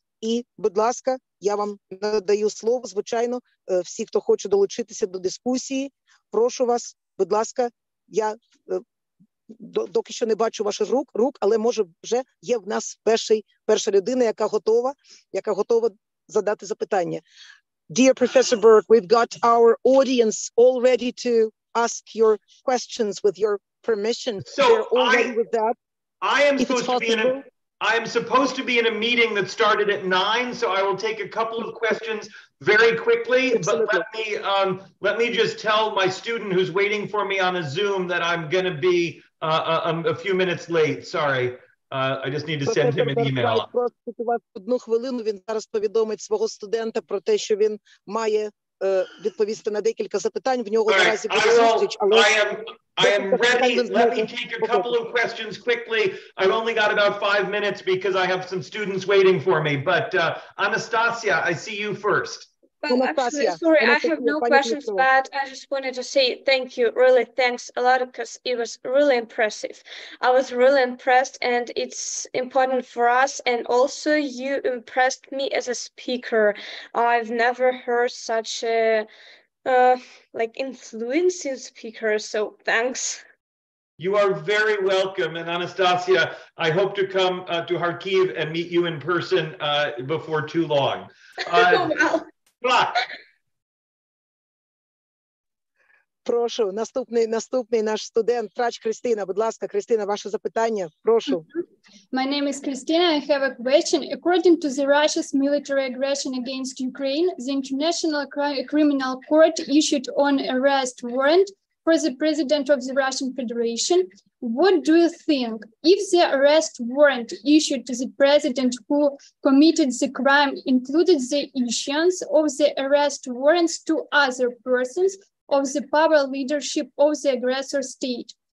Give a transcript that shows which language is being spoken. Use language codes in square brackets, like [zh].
[uk] І, будь ласка, я вам надаю слово, звичайно, всі, хто хоче долучитися до дискусії, прошу вас, будь ласка, я доки що не бачу ваших рук, але, може, вже є в нас перша людина, яка готова задати запитання. [en] Dear Professor Berk, we've got our audience all ready to ask your questions with your permission. So I am supposed to be in a meeting that started at 9, so I will take a couple of questions very quickly. Absolutely. But let me just tell my student who's waiting for me on a Zoom that I'm going to be a few minutes late. Sorry. I just need to send him an email. [uk] Одну хвилину, він зараз повідомить свого студента про те, що він має відповісти на декілька запитань. В нього наразі буде зустріч. [en] I am ready. Let me take a couple of questions quickly. I've only got about 5 minutes because I have some students waiting for me. But Anastasia, I see you first. Absolutely. Sorry, I have no questions, but I just wanted to say thank you. Really, thanks a lot, because it was really impressive. I was really impressed, and it's important for us. And also, you impressed me as a speaker. I've never heard such a influencing speaker, so thanks. You are very welcome. And Anastasia, I hope to come to Kharkiv and meet you in person before too long. Oh, wow. [uk] Про прошу, наступний наш студент, врач Кристина, будь ласка, Кристина, ваше запитання, прошу. [en] My name is Kristina. I have a question. According to the Russia's military aggression against Ukraine, the International Criminal Court issued an arrest warrant for the president of the Russian Federation. What do you think, if the arrest warrant issued to the president who committed the crime included the issuance of the arrest warrants to other persons of the power leadership of the aggressor state?